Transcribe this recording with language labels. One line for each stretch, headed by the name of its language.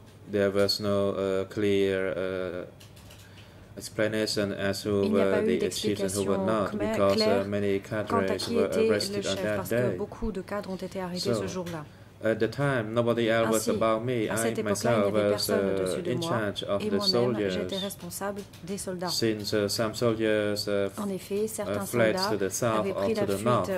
English: There was no clear explanation as who were the chiefs and who were not, because many cadres were arrested on that day.
French: Beaucoup de cadres ont été arrêtés ce jour-là.
English: At the time, nobody else
French: Ainsi,
English: was above me. I myself was in charge of the soldiers.
French: J'étais responsable des soldats.
English: Since some soldiers fled to the south or to the north,